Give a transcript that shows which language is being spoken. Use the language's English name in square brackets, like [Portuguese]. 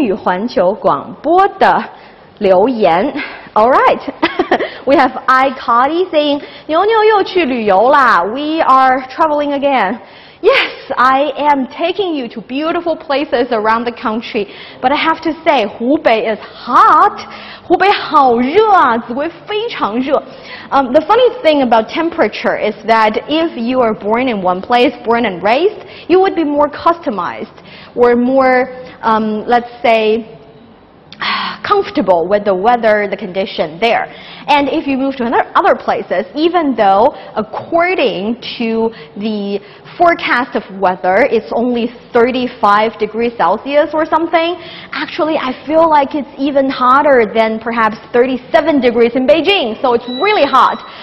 [Chinese] 英语环球广播的留言. [English] Alright, we have iCody saying, [Chinese] 牛牛又去旅游啦, [English] we are traveling again. Yes, I am taking you to beautiful places around the country, but I have to say, 湖北 is hot. [Chinese] 湖北好热啊, 紫薇非常热. [English] The funny thing about temperature is that if you are born in one place, born and raised, you would be more customized, or more, let's say, comfortable with the weather, the condition there. And if you move to other places, even though according to the forecast of weather, it's only 35 degrees Celsius or something, actually I feel like it's even hotter than perhaps 37 degrees in Beijing. So it's really hot.